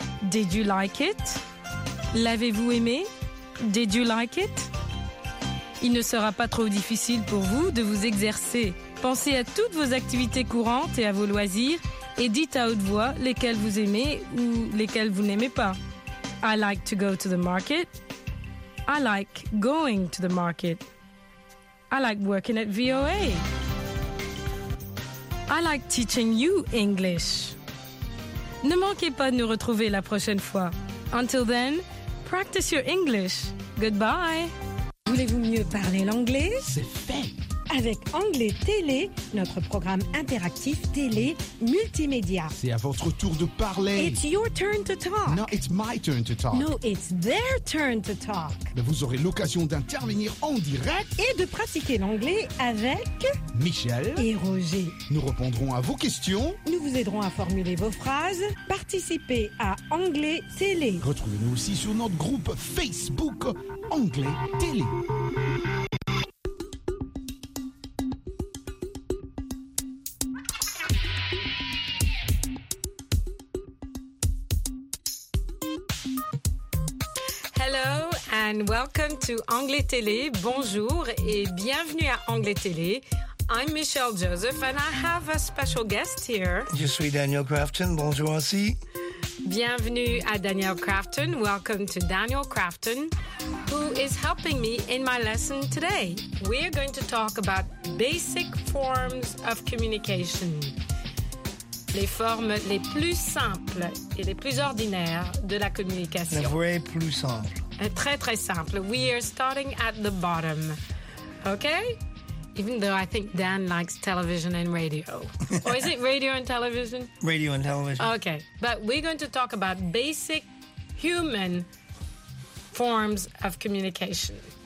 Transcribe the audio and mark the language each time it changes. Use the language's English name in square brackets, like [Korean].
[English] Did you like it? [French] L'avez-vous aimé? [English] Did you like it? [French] Il ne sera pas trop difficile pour vous de vous exercer. Pensez à toutes vos activités courantes et à vos loisirs et dites à haute voix lesquelles vous aimez ou lesquelles vous n'aimez pas. [English] I like to go to the market. I like going to the market. I like working at VOA. I like teaching you English. [French] Ne manquez pas de nous retrouver la prochaine fois. [English] Until then, practice your English. Goodbye. [French] Voulez-vous mieux parler l'anglais? C'est fait. Avec Anglais Télé, notre programme interactif télé multimédia. C'est à votre tour de parler. [English] It's your turn to talk. No, it's my turn to talk. No, it's their turn to talk. [French] Mais vous aurez l'occasion d'intervenir en direct et de pratiquer l'anglais avec Michel et Roger. Nous répondrons à vos questions. Nous vous aiderons à formuler vos phrases. Participez à Anglais Télé. Retrouvez-nous aussi sur notre groupe Facebook Anglais Télé. [English] And welcome to Anglais Télé. [French] Bonjour et bienvenue à Anglais Télé. [English] I'm Michelle Joseph and I have a special guest here. [French] Je suis Daniel Crafton. Bonjour aussi. Bienvenue à Daniel Crafton. [English] Welcome to Daniel Crafton, who is helping me in my lesson today. We are going to talk about basic forms of communication. [French] Les formes les plus simples et les plus ordinaires de la communication. La vraie plus simple. Très, très simple. [English] We are starting at the bottom. Okay? Even though I think Dan likes television and radio. Or is it radio and television? Radio and television. Okay. But we're going to talk about basic human forms of communication.